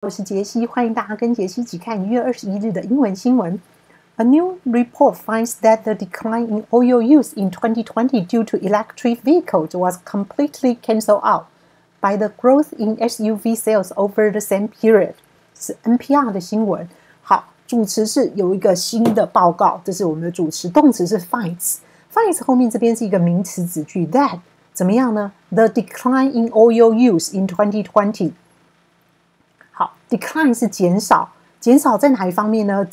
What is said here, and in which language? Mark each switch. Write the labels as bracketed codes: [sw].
[zh] 我是杰西，欢迎大家跟杰西一起看1月21日的英文新闻。 [en] A new report finds that the decline in oil use in 2020 due to electric vehicles was completely cancelled out by the growth in SUV sales over the same period。 [zh] 是 NPR 的新闻。好，主持是有一个新的报告，这是我们的主持。动词是 finds。finds 后面这边是一个名词子句 that 怎么样呢？ [en] The decline in oil use in 2020。 [zh] 好，decline 是减少，减少在哪一方面呢？